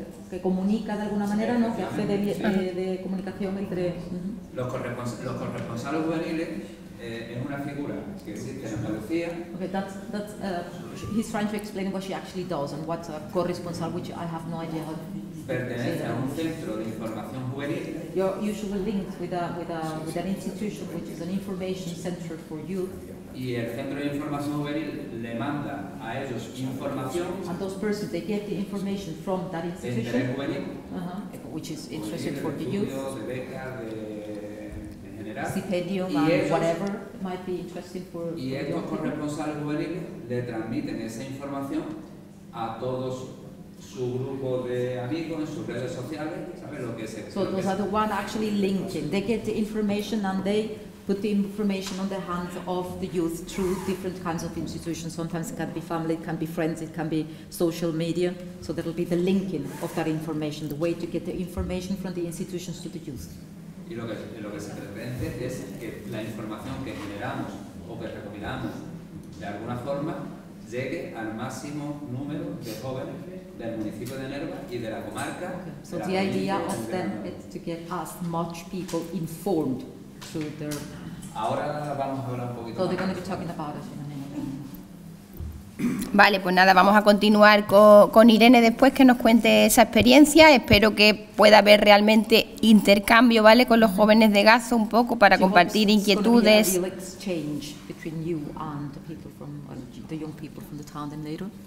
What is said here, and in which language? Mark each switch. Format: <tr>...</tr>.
<es>Que comunica de alguna manera, ¿no? Que hace de comunicación entre. Los corresponsales juveniles es una figura que existe en Andalucía.</es> <en>Okay, that's he's trying to explain what she actually does and what's a corresponsal, which I have no idea how.</en> <es>Pertenece a un centro de información juvenil.</es> <en>You're usually linked with an institution which is an information center for youth.</en> <es>Y el centro de información juvenil le manda a ellos información.</es> <en>And those persons, they get the information from that institution.</en> <es>De interés juvenil.</es> <en>Uh-huh, which is interesting for the youth.</en> <es>De beca, de general.</es> <en>Stipendium and</en> <es>ellos,</es> <en>whatever might be interesting for.</en> <es>Y estos corresponsales juveniles le transmiten esa información a todos su grupo de amigos en sus redes sociales, ¿sabes lo que es?</es> <en>So those are the ones actually linking. They get the information and they put the information on the hands of the youth through different kinds of institutions. Sometimes it can be family, it can be friends, it can be social media. So that will be the linking of that information, the way to get the information from the institutions to the youth.</en> <es>Y lo que se pretende es que la información que generamos o que recopilamos de alguna forma llegue al máximo número de jóvenes del municipio de Nerva y de la comarca.</es> <en>Okay. So the idea of them is to get as much people informed to their.</en> <es>Ahora vamos a hablar un poquito.</es> <en>So they're going to be talking about it in a minute.</en> <es>Vale, pues nada, vamos a continuar con Irene después que nos cuente esa experiencia. Espero que pueda haber realmente intercambio, ¿vale?, con los jóvenes de Gazo un poco para compartir inquietudes.</es> <en>Exchange between you and the people from the young people from the town in Nerva.</en>